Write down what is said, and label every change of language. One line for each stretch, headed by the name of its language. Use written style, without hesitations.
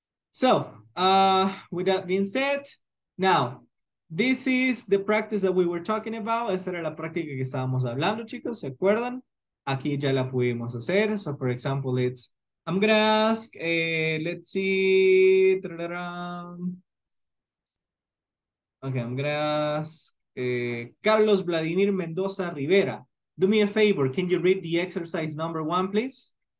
English: So, with that being said, now, this is the practice that we were talking about.
Spanish: Esta era la práctica que estábamos hablando, chicos. ¿Se acuerdan? Aquí ya la pudimos hacer.
English: So, for example, it's, I'm gonna ask, let's see. Ta-da-da. Okay, I'm gonna ask Carlos Vladimir Mendoza Rivera. Do me a favor. Can you read the exercise number one, please?